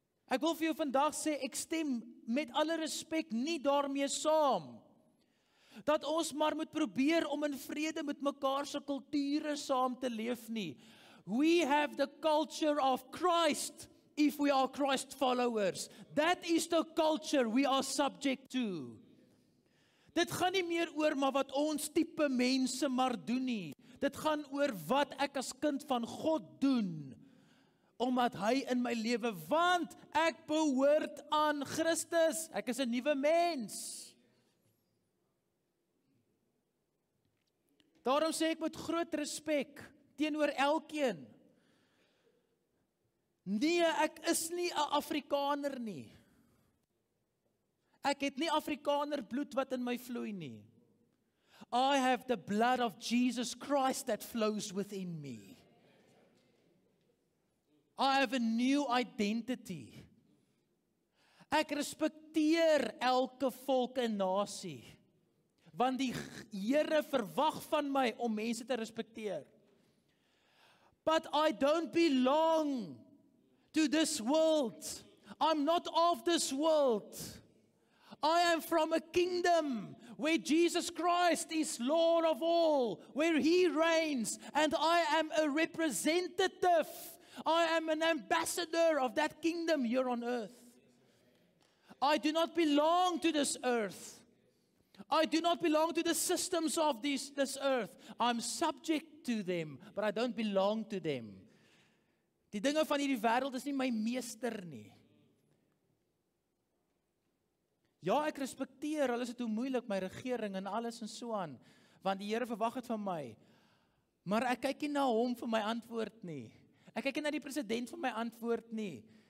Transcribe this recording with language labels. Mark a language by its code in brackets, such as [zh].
[af] Ek wil vir jou vandag sê, ek stem met alle respek nie daarmee saam, dat ons maar moet probeer om in vrede met mekaar se kulture saam te leef nie. [en] We have the culture of Christ, if we are Christ followers. That is the culture we are subject to. [af] Dit gaan nie meer oor maar wat ons type mense maar doen nie. Dit gaan oor wat ek as kind van God doen, omdat hy in my lewe, want ek behoort aan Christus, ek is 'n nuwe mens. Daarom sê ek met groot respek, teenoor elkeen, nee, ek is nie 'n Afrikaner nie. Ek het nie Afrikaner bloed wat in my vloei nie. [en] I have the blood of Jesus Christ that flows within me. I have a new identity. [af] Ek respekteer elke volk en nasie, want die Here verwag van my om mense te respekteer. [en] But I don't belong to this world. I'm not of this world. I am from a kingdom where Jesus Christ is Lord of all, where he reigns, and I am a representative. I am an ambassador of that kingdom here on earth. I do not belong to this earth. I do not belong to the systems of this earth. I'm subject to them, but I don't belong to them. [af] Die dinge van hierdie wêreld is nie my meester nie. Ja, ek respekteer, al is dit hoe moeilik, my regering en alles en so aan, want die Here verwag het van my. Maar ek kyk nie na hom vir my antwoord nie. Ek kyk nie na die president vir my antwoord nie.